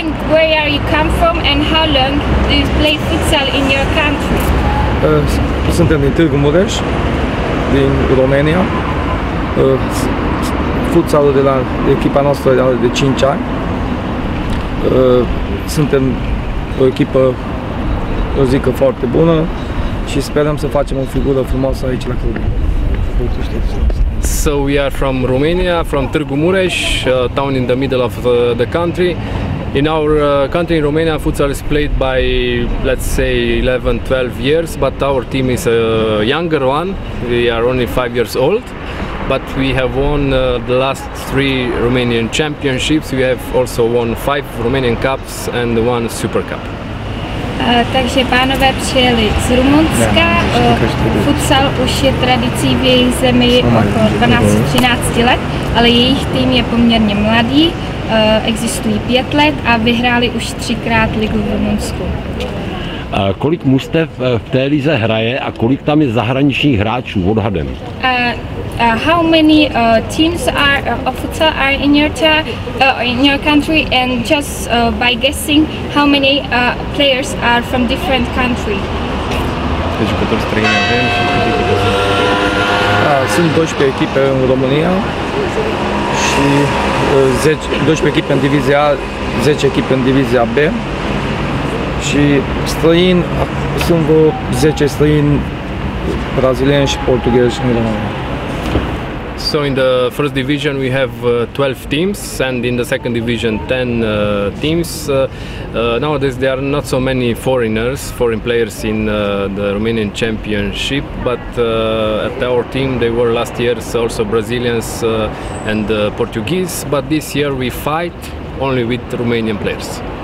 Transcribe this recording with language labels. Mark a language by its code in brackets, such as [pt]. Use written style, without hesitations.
[en] where are you come from and how long do you play futsal in your country? [ro] Suntem din Târgu Mureș, din România. Futsalul de la echipa noastră are de 5 ani. Suntem o echipă, eu zic că foarte bună și sperăm să facem o figură frumoasă aici la club. [en] So we are from Romania, from Târgu Mureș, a town in the middle of the country. In our country, in Romania, futsal is played by, let's say, 11-12 years, but our team is a younger one. We are only 5 years old, but we have won the last 3 Romanian championships. We have also won 5 Romanian Cups and 1 Super Cup. [cs] Takže pánové přijeli z Rumunska, futsal už je tradicí v jejich zemi okolo 12-13 let, ale jejich tým je poměrně mladý, existují 5 let a vyhráli už 3x ligu v Rumunsku. Kolik mužstev v té lize hraje a kolik tam je zahraničních hráčů odhadem? [en] How many teams are of futsal are in your country and just by guessing how many players are from different country? [ro] Sunt 12 echipe în România și 12 echipe în divizia A, 10 echipe în divizia B. Și străini, sunt vreo 10 străini brazilieni și portughezi în România. [en] So in the first division we have 12 teams and in the second division 10 teams. Nowadays there are not so many foreign players in the Romanian championship, but at our team they were last year also Brazilians and Portuguese, but this year we fight only with Romanian players.